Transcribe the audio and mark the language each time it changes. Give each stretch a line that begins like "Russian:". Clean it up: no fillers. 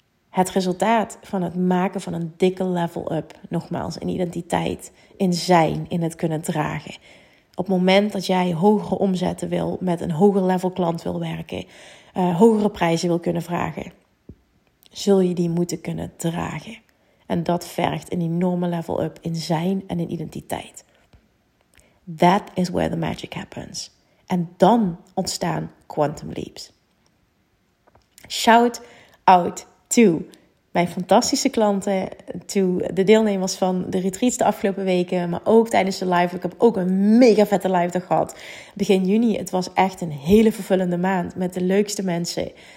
Dutch: Het resultaat van het maken van een dikke level up, nogmaals, in identiteit, in zijn, in het kunnen dragen. Op het moment dat jij hogere omzetten wil, met een hoger level klant wil werken, hogere prijzen wil kunnen vragen, zul je die moeten kunnen dragen. En dat vergt een enorme level up in zijn en in identiteit.
English: That is where the magic happens.
Dutch: En dan ontstaan quantum leaps.
English: Shout out to
Dutch: mijn fantastische klanten, to de deelnemers van de retreats de afgelopen weken, maar ook tijdens de live. Ik heb ook een mega vette live dag gehad. Begin juni, het was echt een hele vervullende maand met de leukste mensen.